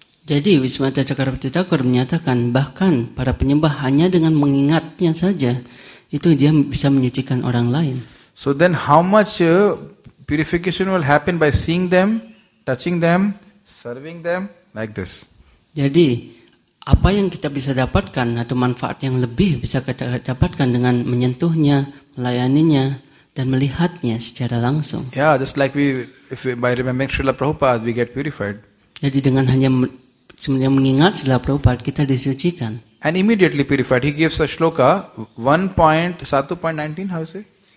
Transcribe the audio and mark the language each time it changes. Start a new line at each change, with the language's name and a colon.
Indonesian: Jadi Vishwanath Chakravarti Thakur menyatakan bahkan para penyembah hanya dengan mengingatnya saja itu dia bisa menyucikan orang lain.
English: So then how much purification will happen by seeing them, touching them, serving them like this.
Indonesian: Jadi apa yang kita bisa dapatkan atau manfaat yang lebih bisa kita dapatkan dengan menyentuhnya, melayaninya dan melihatnya secara langsung.
English: Yeah, just like we if we, by remembering Srila Prabhupada we get purified.
Indonesian: Jadi dengan hanya sebenarnya mengingat Srila Prabhupada kita disucikan.
English: And immediately purified. He gives a shloka 1.1.19 how say?